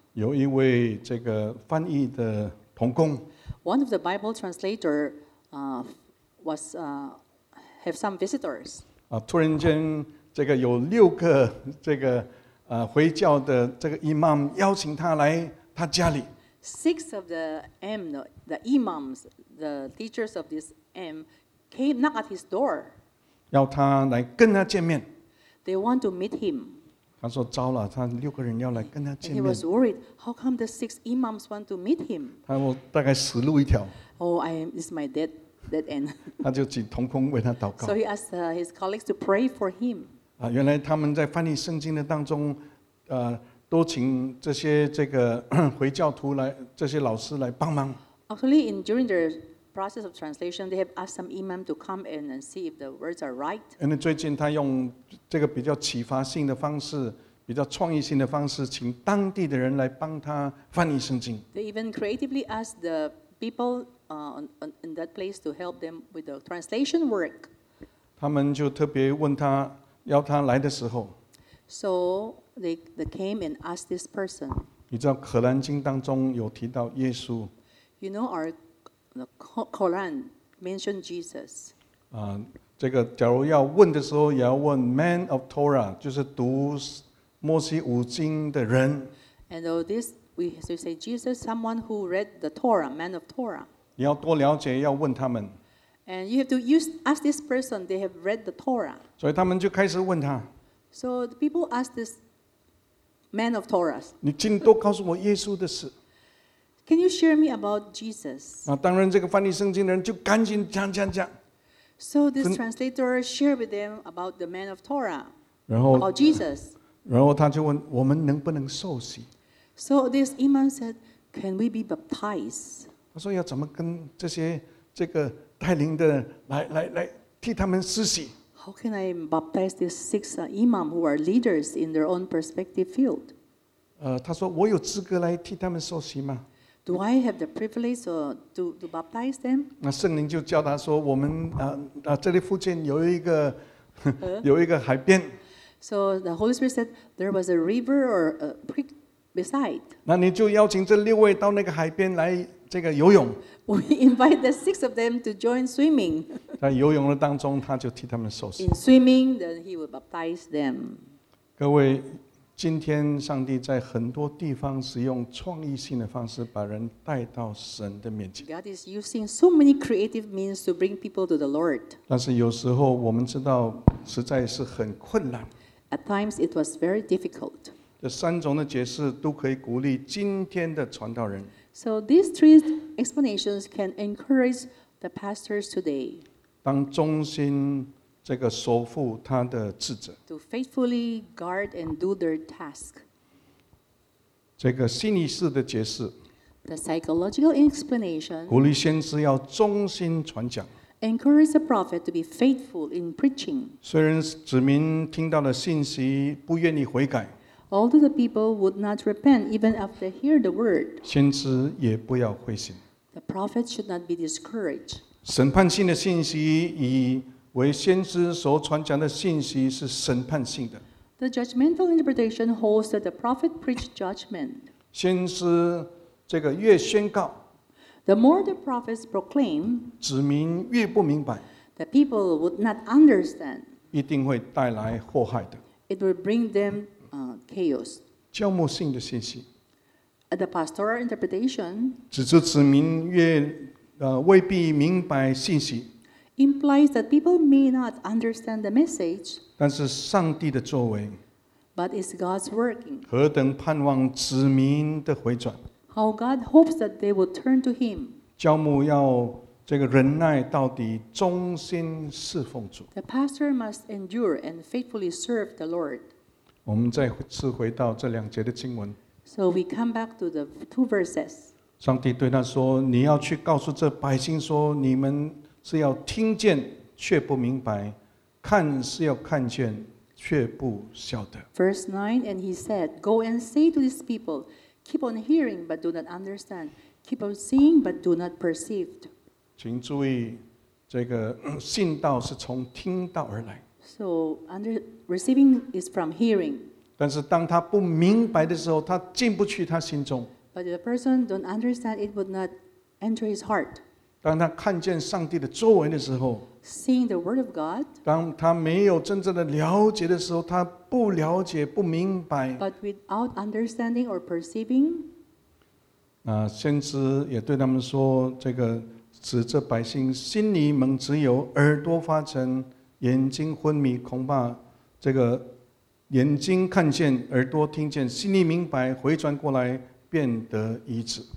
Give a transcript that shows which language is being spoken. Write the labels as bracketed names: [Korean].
[Chinese] 有一位这个翻译的同工。 [English] One of the Bible translator, was have some visitors. [Chinese] 突然间这个有六个这个回教的这个 imam 邀请他来他家里。 [English] Six of the M, the imams, the teachers of this M, came knock at his door. [Chinese] 要他来跟他见面。 [English] They want to meet him. [Chinese] 他说糟了，他六个人要来跟他见面。 [English] He was worried. How come the six imams want to meet him? [Chinese] 他说大概死路一条。 [English] Oh, I am, this is my death. That end. [Chinese] 他就请同工为他祷告。 [English] So he asked his colleagues to pray for him. [Chinese] 原来他们在翻译圣经的当中，都请这些这个回教徒来，这些老师来帮忙。 [English] Actually, in during the process of translation, they have asked some imam to come in and see if the words are right. [Chinese] 因为最近他用这个比较启发性的方式，比较创意性的方式，请当地的人来帮他翻译圣经。 [English] They even creatively asked the people. In that place to help them with the translation work. [Chinese] 他们就特别问他，要他来的时候。 [English] So they came and asked this person. [Chinese] 你知道《可兰经》当中有提到耶稣。 [English] You know our the Quran mentioned Jesus. [Chinese] 这个假如要问的时候，也要问 Man of Torah， 就是读摩西五经的人。 [English] And though this we say Jesus, someone who read the Torah, Man of Torah. [Chinese] 你要多了解，要问他们。 [English] And you have to use ask this person. They have read the Torah. [Chinese] 所以他们就开始问他。 [English] So the people ask this man of Torah. [Chinese] 你尽多告诉我耶稣的事。 [English] Can you share me about Jesus? [Chinese] 当然，这个翻译圣经的人就赶紧讲讲讲。 [English] So this translator shared with them about the man of Torah. [Chinese] 然后 [English] about Jesus. [Chinese] 然后他就问我们能不能受洗。 [English] So this imam said, "Can we be baptized?" [Chinese] 他说要怎么跟这些这个带领的来替他们施洗 [English] ？How can I baptize these six imam who are leaders in their own perspective field？ [Chinese] 他说我有资格来替他们受洗吗 [English] Do I have the privilege to baptize them? [Chinese] 那圣灵就教他说，我们这里附近有一个海边。 [English] So the Holy Spirit said there was a river or a creek beside. [Chinese] 那你就邀请这六位到那个海边来这个游泳。 [English] We invite the six of them to join swimming. [Chinese] 在游泳的当中，他就替他们受洗。 [English] In swimming, then he will baptize them. [Chinese] 各位。今天上帝在很多地方使用创意性的方式把人带到神的面前。 [English] God is using so many creative means to bring people to the Lord. [Chinese] 但是有时候我们知道实在是很困难。 [English] At times it was very difficult. [Chinese] 这三种的解释都可以鼓励今天的传道人。 [English] So these three explanations can encourage the pastors today. [Chinese] 当中心这个守护他的职责 [English] ，to faithfully guard and do their task。 [Chinese] 这个心理式的解释 [English] ，the psychological explanation。 [Chinese] 鼓励先知要忠心传讲 [English] ，encourage the prophet to be faithful in preaching。 [Chinese] 虽然子民听到了信息不愿意悔改 [English] ，although the people would not repent even after hear the word。 [Chinese] 先知也不要灰心 [English] ，the prophet should not be discouraged。 [Chinese] 审判性的信息以为先知所传讲的信息是审判性的。 [English] The judgmental interpretation holds that the prophet preached judgment. [Chinese] 先知这个越宣告 [English] ，the more the prophets proclaim， [Chinese] 子民越不明白 [English] ，the people would not understand， [Chinese] 一定会带来祸害的。 [English] It will bring them chaos. [Chinese] 教牧性的信息 [English] ，the pastoral interpretation， [Chinese] 指出子民越未必明白信息。 [English] Implies that people may not understand the message. [Chinese] 但是上帝的作为 [English] But it's God's working. [Chinese] 何等盼望子民的回转 [English] How God hopes that they will turn to Him. [Chinese] 教牧要这个忍耐到底忠心侍奉主 [English] The pastor must endure and faithfully serve the Lord. [Chinese] 我们再次回到这两节的经文 [English] So we come back to the two verses. [Chinese] 上帝对他说你要去告诉这百姓说你们是要听见却不明白，看是要看见却不晓得。 [English] Verse 9, and he said, Go and say to these people, keep on hearing but do not understand, keep on seeing but do not perceive. [Chinese] 请注意，这个信道是从听道而来。 [English] So, receiving is from hearing. [Chinese] 但是当他不明白的时候，他进不去他心中。 [English] But the person don't understand, it would not enter his heart. [Chinese] 当他看见上帝的作为的时候 [English] Seeing the word of God, [Chinese] 当他没有真正的了解的时候他不了解不明白 [English] But without understanding or perceiving, [Chinese] 先知也对他们说这个指着百姓心里蒙自由耳朵发沉眼睛昏迷恐怕这个眼睛看见耳朵听见心里明白回转过来变得医治